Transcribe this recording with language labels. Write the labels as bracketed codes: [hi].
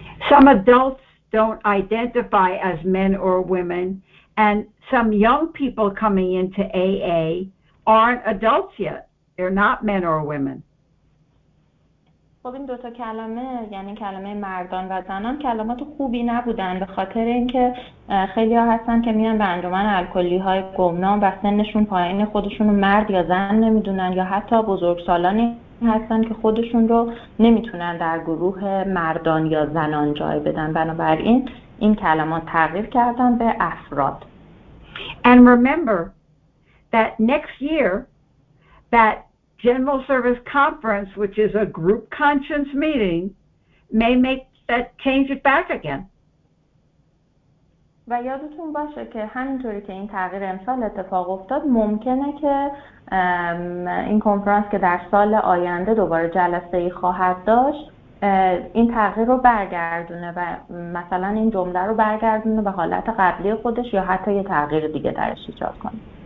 [en] Some adults don't identify as men or women, and some young people coming into AA aren't adults yet. They're not men or women. [fa] خب این دو تا کلمه یعنی کلمه مردان و زنان کلمات خوبی نبودن به خاطر اینکه خیلی ها هستن که میان به انجمن الکلی های گمنام و سنشون پایین خودشون رو مرد یا زن نمیدونن یا حتی بزرگسالانی هستن که خودشون رو نمیتونن در گروه مردان یا زنان جای بدن بنابراین این کلمات تغییر کردن به افراد. [en] And remember that next year that General Service Conference, which is a group conscience meeting, may make that change it back again. [fa] و یادتون باشه که همینطوری که این تغییر امسال اتفاق افتاد ممکنه که این کنفرانس که در سال آینده دوباره جلسه ای خواهد داشت این تغییر رو برگردونه و مثلا این جمله رو برگردونه به حالت قبلی خودش یا حتی یه تغییر دیگه درش ایجاد کنه.